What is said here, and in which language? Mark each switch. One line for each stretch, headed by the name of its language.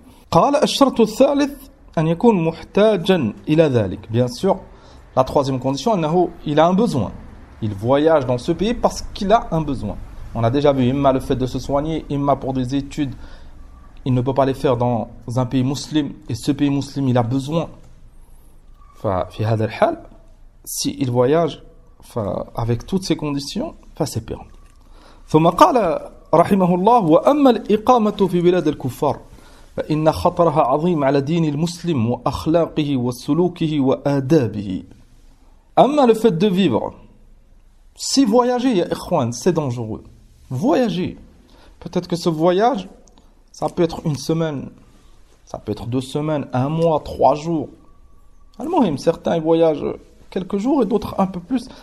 Arabic: قال الشرط الثالث أن يكون محتاجا إلى ذلك.
French: Bien sûr, la troisième condition, أنه il a un besoin. Il voyage dans ce pays parce qu'il a un besoin. On a déjà vu, imma le fait de se soigner, imma pour des études, il ne peut pas les faire dans un pays musulman et ce pays musulman il a besoin. Enfin,
Arabic: في هذا الحال,
French: si il voyage, enfin, avec toutes ces conditions, enfin, c'est permis.
Arabic: ثم قال رحمه الله وأما الإقامة في بلاد الكفار فإن خطرها عظيم على دين المسلم وأخلاقه وسلوكه وآدابه.
French: أما le fait de vivre, si voyager,
Arabic: يا إخوان,
French: c'est dangereux. Voyager, peut-être que ce voyage, ça peut être une semaine, ça peut être 2 semaines, 1 mois, 3 jours. Al-Muhim, certains ils voyagent quelques jours et d'autres un peu plus.